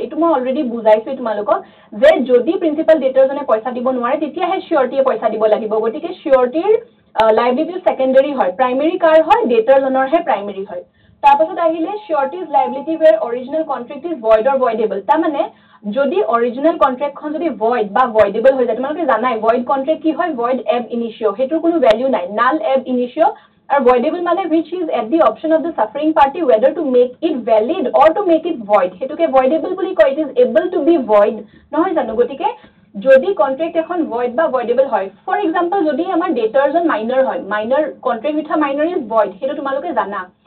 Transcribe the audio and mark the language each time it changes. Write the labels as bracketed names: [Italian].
[Assamese] এইটো মই অলৰেডি বুজাইছোঁ তোমালোকক যে যদি প্ৰিন্সিপাল ডেটাৰজনে পইচা দিব নোৱাৰে তেতিয়াহে চিয়ৰিটিয়ে পইচা দিব লাগিব। গতিকে চিয়ৰিটিৰ লাইবিলিটি ছেকেণ্ডেৰী হয়, প্ৰাইমেৰী কাৰ হয়? ডেটাৰজনৰহে প্ৰাইমেৰী হয়। তাৰপাছত আহিলে [English] Surety is liability where original contract is void or voidable. [Assamese] তাৰমানে যদি অৰিজিনেল কণ্ট্ৰেক্টখন যদি ভইড বা ভইডেবল হৈ যায়, তোমালোকে জানাই ভইড কণ্ট্ৰেক্ট কি হয়? ভইড এব ইনিচিঅ', সেইটোৰ কোনো ভেল্যু নাই, নাল এব ইনিচিঅ'। আৰু ভইডেবল মানে [English] which is at the option of the suffering party whether to make it valid or to make it void, [Assamese] সেইটোকে ভইডেবল বুলি কয়। [English] it is able to be void, [Assamese] নহয় জানো? গতিকে যদি কণ্ট্ৰেক্ট এখন ভইড বা ভইডেবল হয়, ফৰ এক্সাম্পল যদি আমাৰ ডেটাৰজন মাইনৰ হয়, [English] minor contract with a minor is void, [Assamese] সেইটো তোমালোকে জানা।